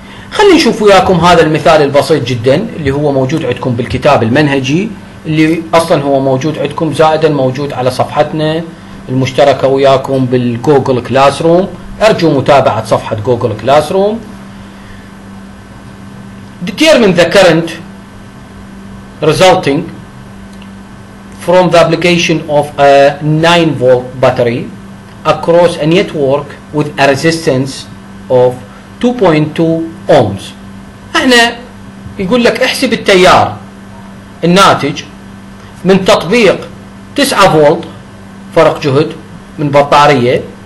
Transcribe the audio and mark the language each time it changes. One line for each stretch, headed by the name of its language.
Arabic: خلينا نشوف وياكم هذا المثال البسيط جدا اللي هو موجود عندكم بالكتاب المنهجي، اللي أصلا هو موجود عندكم زائدا موجود على صفحتنا المشتركة وياكم بالجوجل كلاس روم. أرجو متابعة صفحة جوجل كلاس روم.
English: Determine the current resulting from the application of a 9 volt battery across a network with a resistance of 2.2 ohms.
Arabic: احنا يقول لك احسب التيار الناتج من تطبيق 9 فولت فرق جهد من بطارية